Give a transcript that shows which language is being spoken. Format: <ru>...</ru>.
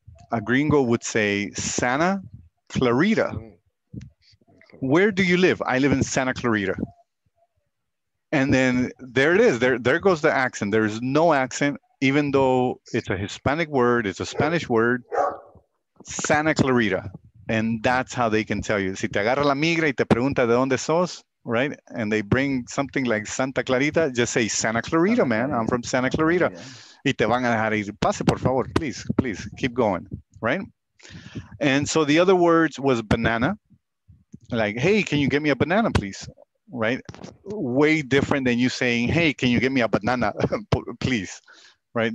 <en>A gringo would say Santa Clarita. Where do you live? I live in Santa Clarita. And then there it is. There goes the accent. There is no accent, even though it's a Hispanic word. It's a Spanish word. Santa Clarita. And that's how they can tell you.</en> <es>Si te agarra la migra y te pregunta de dónde sos, right?</es> <en>And they bring something like Santa Clarita, just say Santa Clarita, man. I'm from Santa Clarita.</en> <es>Y te van a dejar ir. Pase, por favor.</es> <en>Please, please. Keep going, right? And so the other words was banana. Like, hey, can you get me a banana, please? Right? Way different than you saying, hey, can you get me a banana, please? Right?</en>